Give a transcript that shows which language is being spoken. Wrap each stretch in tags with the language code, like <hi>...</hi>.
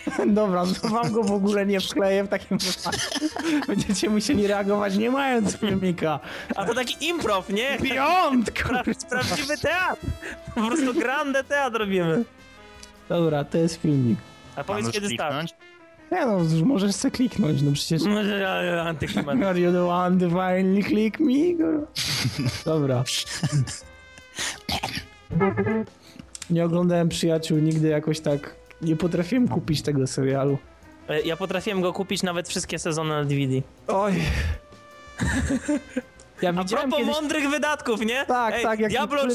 <pl>Dobra, to wam go w ogóle nie wkleję w takim wypadku. Będziecie musieli reagować nie mając filmika. A to taki improv, nie? Piątko! Prawdziwy teatr! Po prostu grande teatr robimy. Dobra, to jest filmik. A powiedz, kiedy start? Nie no, możesz se kliknąć, no przecież... Może antyklimat.</pl> <en>Are you the one to finally click me, girl?</en> <pl>Dobra. Nie oglądałem Przyjaciół nigdy jakoś tak... Nie potrafiłem kupić tego serialu. Ja potrafiłem go kupić nawet wszystkie sezony na DVD. Oj. Ja a propos kiedyś... mądrych wydatków, nie? Tak, ej, tak. Jak Diablo nie...</pl>